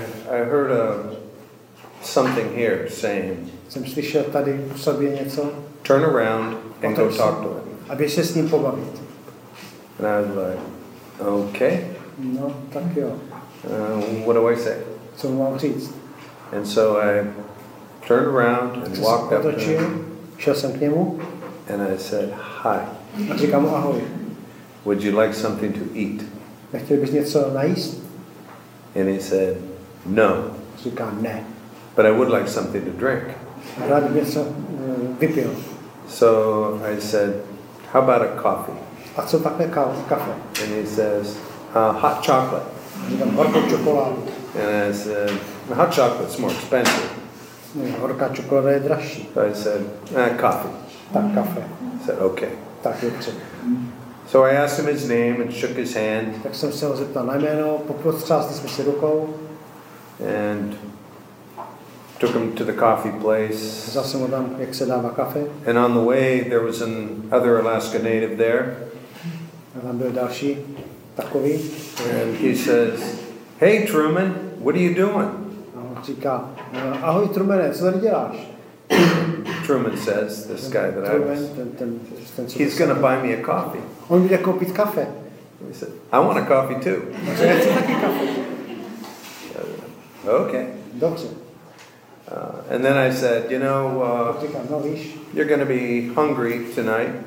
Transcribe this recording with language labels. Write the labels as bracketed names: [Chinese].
[English] I heard something here saying, [Czech] jsem slyšel tady v sobě něco. [English] Turn around and go talk to him. [Czech] Aby se s ním pobavit. [English] And I was like, okay. [Czech] No, tak jo. [English] What do I say? [Czech] Co mám říct? [English] And so I turned around and walked up to him. [Czech] Šel jsem k němu. [English] And I said, hi. [Czech] A říkám mu ahoj. [English] Would you like something to eat? [Czech] Nechtěl bys něco najíst? [English] And he said, no. [Czech] Říká ne. [English] But I would like something to drink. [Czech] Rád bych něco vypil. [English] So I said, how about a coffee? [Czech] A co takhle kafe? [English] And he says, hot chocolate. [Czech] Říkám horkou čokoládu. [English] And I said, hot chocolate's more expensive. [Czech] Horká čokoláda je dražší. [English] So I said, coffee. [Czech] Tak kafe. [English] I said, okay. [Czech] Tak dobře. [English] So I asked him his name and shook his hand. [Czech] Tak jsem se ho zeptal na jméno, potřásli jsme si rukou. [English] And took him to the coffee place. [Czech] Vzal jsem ho tam, jak se dává kafe. [English] And on the way, there was an other Alaska native there. [Czech] A tam byl další takový. [English] And he says, hey Truman, what are you doing? [Czech] Říká, ahoj Trumane, co tady děláš? [English] Truman says, this guy that [Czech] Truman, [English] I was, he's going to buy me a coffee. [Czech] On bude koupit kafe. [English] He said, I want a coffee too. Okay. [Czech] Dobře. [English] And then I said, you know, you're going to be hungry tonight.